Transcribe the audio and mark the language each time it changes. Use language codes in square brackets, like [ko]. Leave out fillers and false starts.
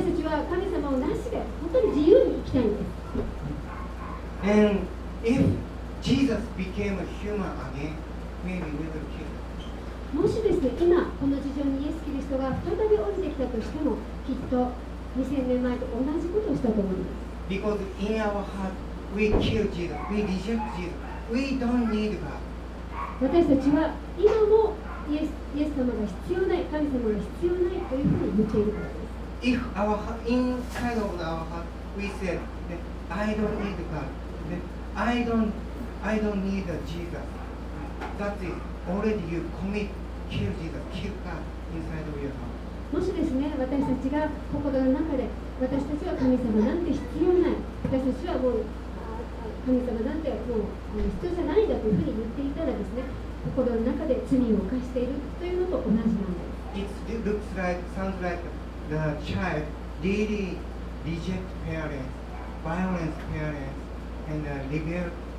[ja] 私たちは神様をなしで本当に自由に生きたいんです。 [en] And if Jesus became a human again, maybe we will kill. [ja] もしですね、今この地上にイエス・キリストが再び降りてきたとしても、きっと2000年前と同じことをしたと思います。 [en] Because in our heart we kill Jesus, we reject Jesus, we don't need God. [ja] 私たちは今もイエス様が必要ない、神様が必要ないというふうに言っているからです。 [en] If our heart, inside of our heart we said I don't need God, I don't need Jesus, that's itAlready you commit kill Jesus, kill God inside of your heart. [ja] もしですね、私たちが心の中で、私たちは神様なんて必要ない、私たちはもう神様なんてもう必要じゃないんだというふうに言っていたらですね、心の中で罪を犯しているというのと同じなんです。 [en] It looks like, sounds like the child really reject parents, violence parents, and rebel parents.